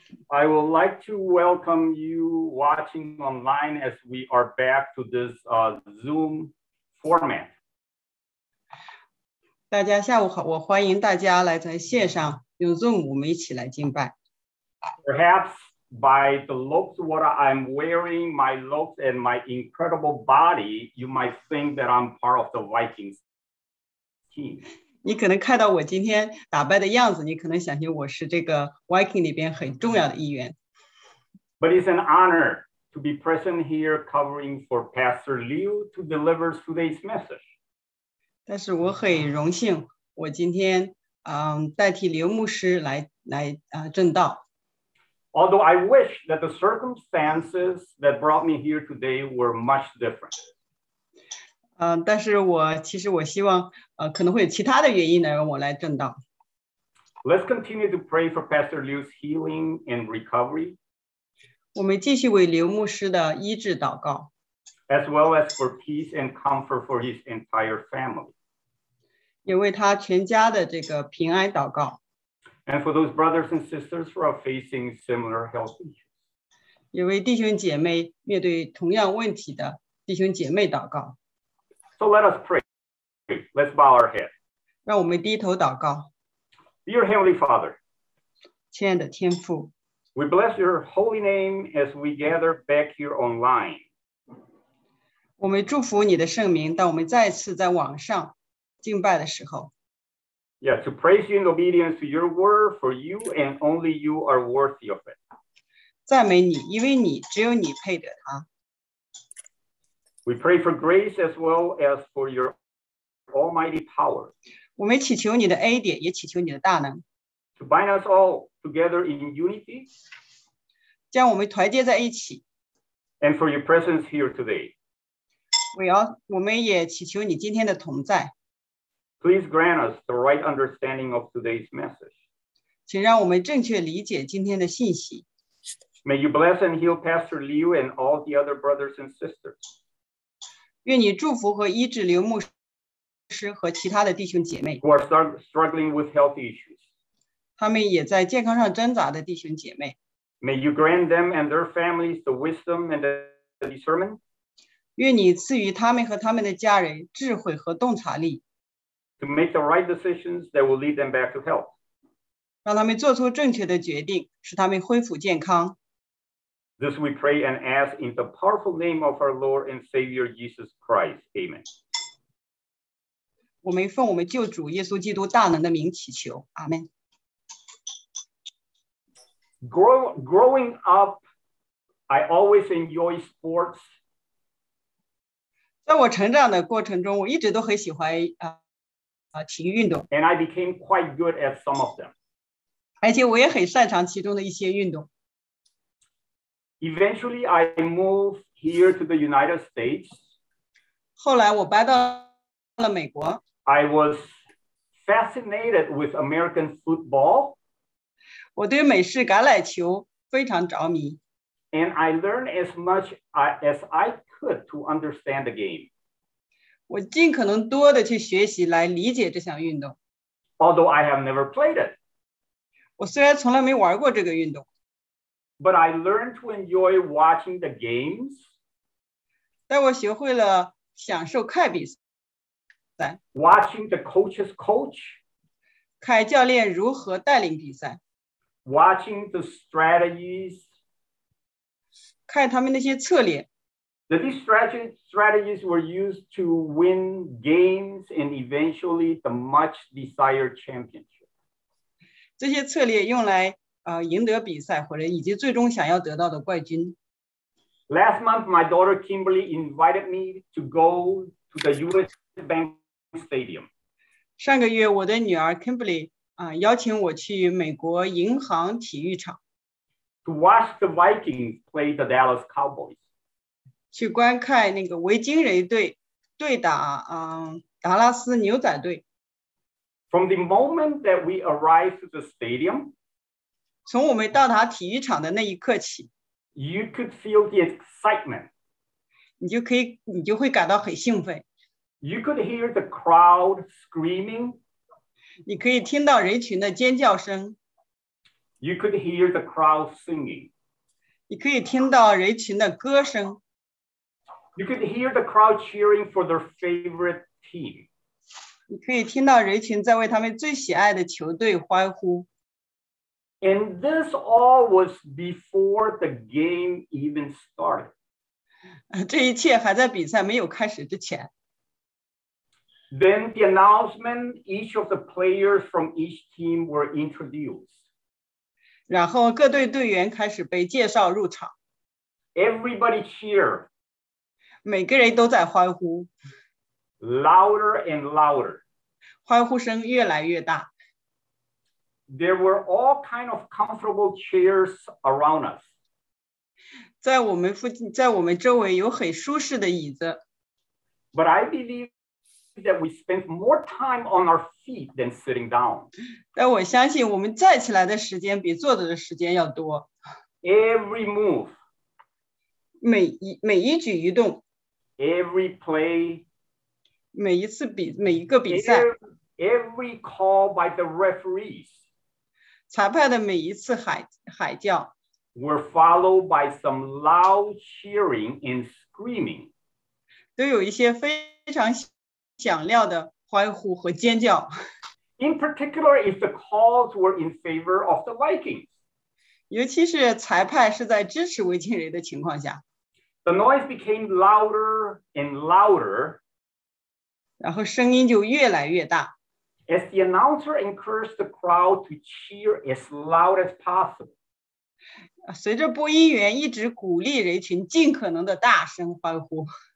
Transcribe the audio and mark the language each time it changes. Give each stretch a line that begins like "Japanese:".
English: I would like to welcome you watching online as we are back to this Zoom format.
Chinese: 大家下午好，我欢迎大家来在线上用 Zoom 我们一起来敬拜。
English: Perhaps by the looks of what I'm wearing, my looks and my incredible body, you might think that I'm part of the Vikings team.
Chinese: 你可能看到我今天打扮的样子，你可能想起我是这个 Viking 里边很重要的一员。
English: But it's an honor to be present here covering for Pastor Liu to deliver today's message.
Chinese: 但是我很荣幸我今天代替刘牧师来证道。
English: Although I wish that the circumstances that brought me here today were much different.
Chinese: 但是我希望可能会有其他的原因来让我来证道。
English: Let's continue to pray for Pastor Liu's healing and recovery.
Chinese: 我们继续为刘牧师的医治祷告。
English: As well as for peace and comfort for his entire family.
Chinese: 也为他全家的这个平安祷告。
English: And for those brothers and sisters who are facing similar health issues.
Chinese: 也为弟兄姐妹面对同样问题的弟兄姐妹祷告。
English: So let us pray. Let's bow our head.
Chinese: 让我们低头祷告。
English: Dear Heavenly Father.
Chinese: 亲爱的天父。
English: We bless your holy name as we gather back here online.
Chinese: 我们祝福你的圣名，当我们再次在网上敬拜的时候。
English: Yeah, to praise you in obedience to your word, for you and only you are worthy of it.
Chinese: 赞美你，因为你，只有你配得它。
English: We pray for grace as well as for your almighty power.
Chinese: 我们祈求你的恩典，也祈求你的大能。
English: To bind us all together in unity.
Chinese: 将我们团结在一起。
English: And for your presence here today.
Chinese: 我们也祈求你今天的同在。
English: Please grant us the right understanding of today's message.
Chinese: 请让我们正确理解今天的信息。
English: May you bless and heal Pastor Liu and all the other brothers and sisters.
Chinese: 愿你祝福和医治刘牧师和其他的弟兄姐妹。
English: Who are struggling with health issues.
Chinese: 他们也在健康上挣扎的弟兄姐妹。
English: May you grant them and their families the wisdom and the discernment.
Chinese: 愿你赐予他们和他们的家人智慧和洞察力。
English: To make the right decisions that will lead them back to health.
Chinese: 让他们做出正确的决定，使他们恢复健康。
English: This we pray and ask in the powerful name of our Lord and Savior Jesus Christ. Amen.
Chinese: 我们奉我们救主耶稣基督大能的名祈求。阿门。
English: Growing up, I always enjoyed sports.
Chinese: 在我成长的过程中，我一直都很喜欢体育运动。
English: And I became quite good at some of them.
Chinese: 而且我也很擅长其中的一些运动。
English: Eventually, I moved here to the United States.
Chinese: 后来我搬到了美国。
English: I was fascinated with American football.
Chinese: 我对美式橄榄球非常着迷。
English: And I learned as much as I could to understand the game.
Chinese: 我尽可能多的去学习来理解这项运动。
English: Although I have never played it.
Chinese: 我虽然从来没玩过这个运动。
English: But I learned to enjoy watching the games.
Chinese: 但我学会了享受看比赛。
English: Watching the coaches coach.
Chinese: 看教练如何带领比赛。
English: Watching the strategies.
Chinese: 看他们那些策略。
English: That these strategies were used to win games and eventually the much desired championship.
Chinese: 这些策略用来赢得比赛，或者以及最终想要得到的冠军。
English: Last month, my daughter Kimberly invited me to go to the U.S. Bank Stadium.
Chinese: 上个月，我的女儿 Kimberly 邀请我去美国银行体育场
English: to watch the Vikings play the Dallas Cowboys.
Chinese: 去观看那个维京人队对打达拉斯牛仔队。
English: From the moment that we arrived to the stadium.
Chinese: 从我们到达体育场的那一刻起
English: ，You could feel the excitement.
Chinese: 你就会感到很兴奋。
English: You could hear the crowd screaming.
Chinese: 你可以听到人群的尖叫声。
English: You could hear the crowd singing.
Chinese: 你可以听到人群的歌声。
English: You could hear the crowd cheering for their favorite team.
Chinese: 你可以听到人群在为他们最喜爱的球队欢呼。
English: And this all was before the game even started.
Chinese: 这一切还在比赛没有开始之前。
English: Then the announcement, each of the players from each team were introduced.
Chinese: 然后各队队员开始被介绍入场。
English: Everybody cheered.
Chinese: 每个人都在欢呼。
English: Louder and louder.
Chinese: 欢呼声越来越大。
English: There were all kinds of comfortable chairs around us.
Chinese: 在我们周围有很舒适的椅子。
English: But I believe that we spent more time on our feet than sitting down.
Chinese: 但我相信我们站起来的时间比坐着的时间要多。
English: Every move.
Chinese: 每一举一动。
English: Every play.
Chinese: 每一个比赛。
English: Every call by the referees.
Chinese: 裁判的每一次 喊叫
English: were followed by some loud cheering and screaming.
Chinese: 都有一些非常响亮的欢呼和尖叫。
English: In particular, if the calls were in favor of the Vikings.
Chinese: 尤其是裁判是在支持维京人的情况下。
English: The noise became louder and louder.
Chinese: 然后声音就越来越大。
English: As the announcer encouraged the crowd to cheer as loud as possible.
Chinese: 随着播音员一直鼓励人群尽可能的大声欢呼。